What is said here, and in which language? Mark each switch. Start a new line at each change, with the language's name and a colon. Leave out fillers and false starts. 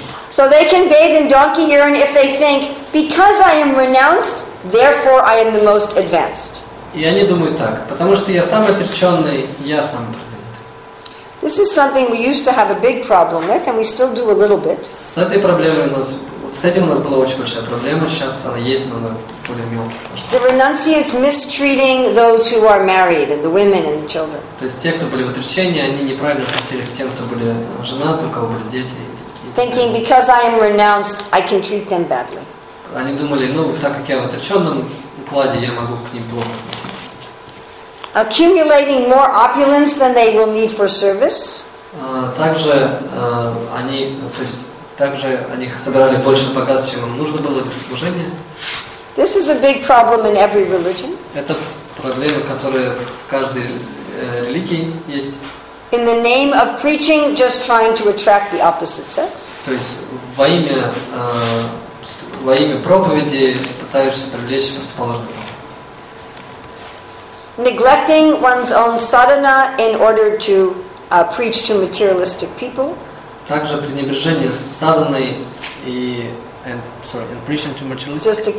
English: So they can bathe in donkey urine if they think, because I am renounced, therefore I am the most advanced.
Russian: И они думают так, потому что я самый отреченный, я самый продвинутый.
English: This is something we used to have a big problem with, and we still do a little bit.
Russian: С этой проблемой у нас с этим у нас была очень большая проблема, сейчас она есть, но она более мелкая.
English: The renunciates mistreating those who are married and the women and the children.
Russian: То есть те, кто были в отречении, они неправильно относились к тем, кто были женаты, у кого были дети.
English: Thinking because I am renounced, I can treat them badly.
Russian: Они думали, ну так как я в отреченном укладе, я могу к ним плохо относиться.
English: Accumulating more opulence than they will need for service.
Russian: Также они собирали больше богатств, чем им нужно было для служения.
English: This is a big problem in every religion.
Russian: Это проблема, которая в каждой религии есть.
English: In the name of preaching, just trying to attract the opposite sex.
Russian: То есть во имя проповеди пытаешься привлечь противоположный пол.
English: Neglecting one's own sadhana in order to preach to materialistic people.
Russian: Также пренебрежение садханой
English: and preaching to materialistic